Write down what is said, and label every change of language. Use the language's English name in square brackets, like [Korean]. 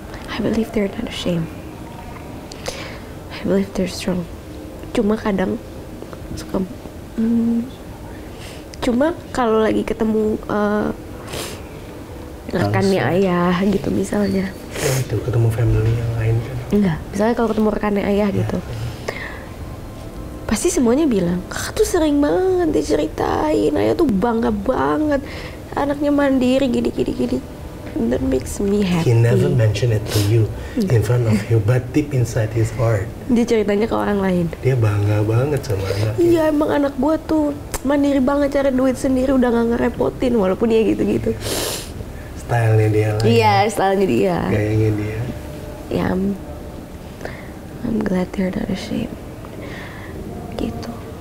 [English] I believe they're not ashamed. I believe they're strong. [Indonesian] Cuma kadang suka. Cuma kalau lagi ketemu rekannya ayah gitu misalnya. Oh itu, ketemu family yang lain kan? Enggak, misalnya kalau ketemu rekannya ayah gitu. Pasti semuanya bilang, kakak tuh sering banget diceritain, ayah tuh bangga banget. Anaknya mandiri, gini. [English] That makes me happy. He never mention it to you in front of you, but deep inside his heart. [Indonesian] Dia ceritanya ke orang lain. Dia bangga banget sama anaknya. Iya, emang anak gua tuh mandiri banget, cari duit sendiri, udah gak ngerepotin, walaupun dia gitu-gitu. Style-nya dia lah. Iya, style-nya dia. Gayanya dia. [English] Ya, yeah, I'm glad they're not ashamed. Gitu.